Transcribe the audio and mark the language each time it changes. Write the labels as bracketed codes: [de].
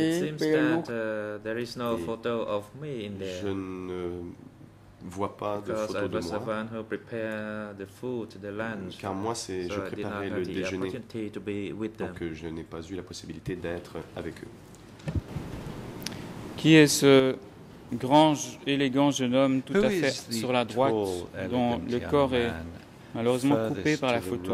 [en] There is no photo of me in there. [fr] Je ne vois pas de photo de moi. [en] Because I was the one who prepared the food, the lunch. [fr] Car moi, c'est je préparais le déjeuner. [en] So I did not have the opportunity to be with them. [fr] Donc je n'ai pas eu la possibilité d'être avec eux. Qui est ce grand, élégant jeune homme tout à fait sur la droite, dont le corps est malheureusement coupé par la photo?